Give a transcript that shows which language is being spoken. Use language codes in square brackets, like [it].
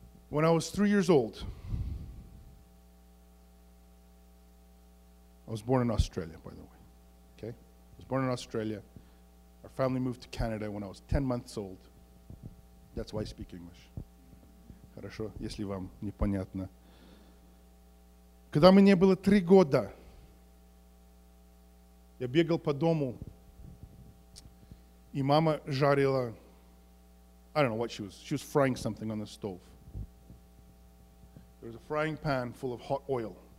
[en] When I was 3 years old, I was born in Australia, by the way. Okay? I was born in Australia. Our family moved to Canada when I was 10 months old. That's why I speak English. [ru] Хорошо, если вам непонятно. Когда мне было 3 года, я бегал по дому, и мама жарила, [en] I don't know what she was frying something on the stove. There was a frying pan full of hot oil.